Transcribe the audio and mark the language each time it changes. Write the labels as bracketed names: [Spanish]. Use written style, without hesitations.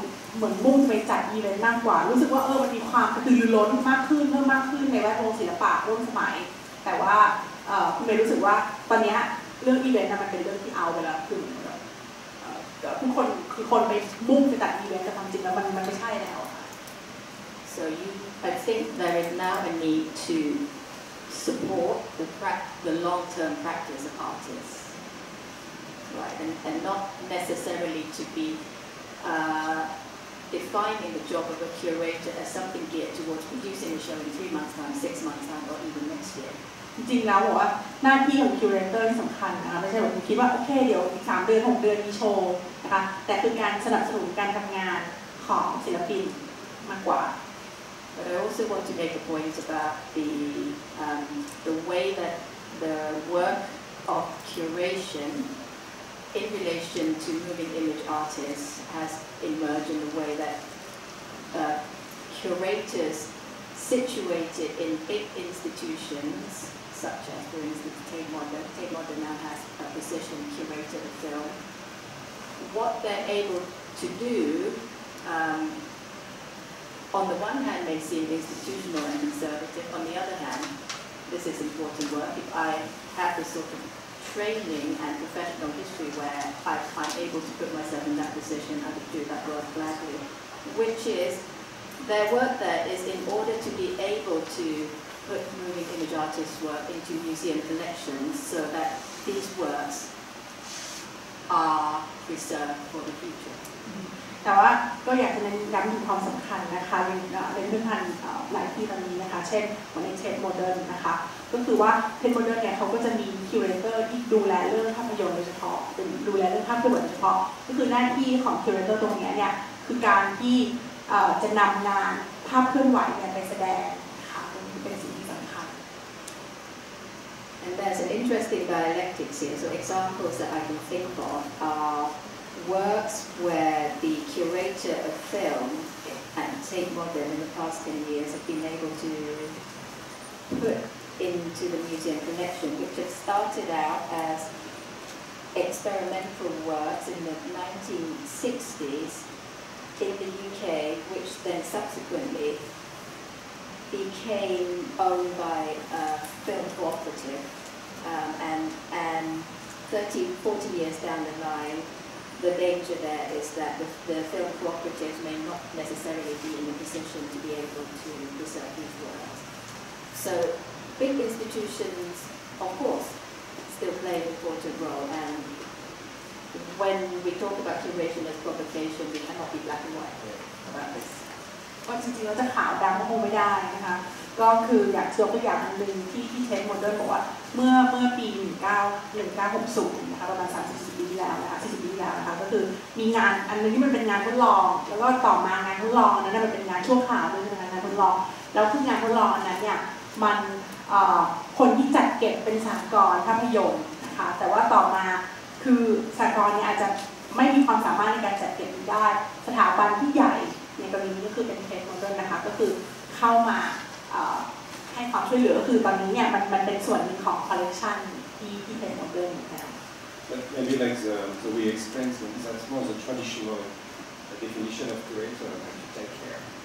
[Thai] เหมือนมุ่งไปจัดอีเวนต์มากกว่ารู้สึกว่ามันมีความกระตือรือร้นมากขึ้นเพิ่มมากขึ้นในแวดวงศิลปะร่วมสมัยแต่ว่าคุณเมย์รู้สึกว่าตอนนี้เรื่องอีเวนต์มันเป็นเรื่องที่เอาไปแล้วคือคนไปมุ่งไปจัดอีเวนต์แต่ความจริงแล้วมันไม่ใช่แล้ว [English] so you I think there is now a need to support the long term practice of artists right and not necessarily to be defining the job of a curator as something geared towards producing a show in 3 months time, 6 months time, or even next year. [Thai] จริงแล้วบอกว่าหน้าที่ของคิวเรเตอร์สำคัญนะคะไม่ใช่แบบคิดว่าโอเคเดี๋ยวอีก3เดือน6เดือนมีโชว์นะคะแต่คือการสนับสนุนการทำงานของศิลปินมากกว่า [English] But I also want to make a point about the way that the work of curation in relation to moving image artists has emerged in the way that curators situated in big institutions, such as for instance Tate Modern now has a position curator of film, what they're able to do, on the one hand may seem institutional and conservative, on the other hand, this is important work, if I have this sort of training and professional history where I'm able to put myself in that position, I would do that work gladly, which is their work there is in order to be able to put moving image artists' work into museum collections so that these works are preserved for the future. [Thai] แต่ว่าก็อยากจะเน้นย้ำถึงความสำคัญนะคะในเรื่องการหลายที่ตอนนี้นะคะเช่นในเทปโมเดิร์นนะคะก็คือว่าเทปโมเดิร์นเนี่ยเขาก็จะมีคิวเรเตอร์ที่ดูแลเรื่องภาพยนตร์โดยเฉพาะดูแลเรื่องภาพยนตร์โดยเฉพาะก็คือหน้าที่ของคิวเรเตอร์ตรงนี้เนี่ยคือการที่จะนำงานภาพเคลื่อนไหวไปแสดงค่ะเป็นสิ่งที่สำคัญ [English] and there's an interesting dialectics here so examples that I can think of areworks where the curator of film at Tate Modern in the past 10 years have been able to put into the museum collection, which have started out as experimental works in the 1960s in the UK, which then subsequently became owned by a film cooperative, and 30, 40 years down the line, the danger there is that the film cooperatives may not necessarily be in a position to be able to preserve these works. So big institutions, of course, still play an important role, and when we talk about curation as provocation, we cannot be black and white about this. [Thai] ก็จริงๆแล้วจะขาวดำก็คงไม่ได้นะคะก็คืออยากยกตัวอย่างนึงที่เทปโมเดิร์นบอกว่าเมื่อปี1960นะคะประมาณ40ปีที่แล้วนะคะก็คือมีงานอันนึงที่มันเป็นงานทดลองแล้วก็ต่อมางานทดลองนั้นมันเป็นงานชั่วคราวด้วยนะคะงานทดลองแล้วคืองานทดลองอันนั้นเนี่ยมัน คนที่จัดเก็บเป็นสหกรณ์ภาพยนตร์นะคะแต่ว่าต่อมาคือสหกรณ์เนี่ยอาจจะไม่มีความสามารถในการจัดเก็บได้สถาบันที่ใหญ่ในกรณีนี้ก็คือเป็นเทปโมเดิร์นนะคะก็คือเข้ามาให้ความช่วยเหลือก็คือตอนนี้เนี่ยมันเป็นส่วนหนึ่งของคอลเลกชันที่เทปโมเดิร์น นะคะ [English] Maybe like the way explains it, that's more the traditional definition of curator and to take care